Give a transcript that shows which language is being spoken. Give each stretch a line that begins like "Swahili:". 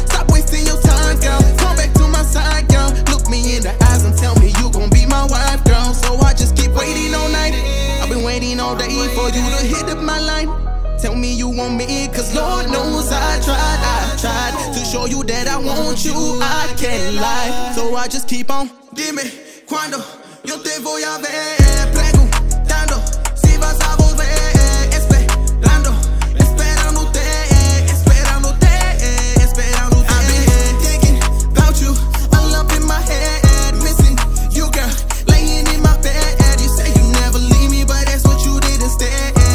English: Stop wasting your time, girl. Come back to my side, girl. Look me in the eyes and tell me you gon' be my wife, girl. So I just keep waiting all night. I've been waiting all day for you to hit up my line. Tell me you want me, cause Lord knows I tried to show you that I want you, I can't lie. So I just keep on.
Spanish: Dime, cuando, yo te voy a ver. Pregun, tando, si vas a volver. Esperando, esperándote, esperándote, esperándote.
English: I've been thinking about you, all up in my head. Missing you, girl, laying in my bed. You say you never leave me, but that's what you did instead.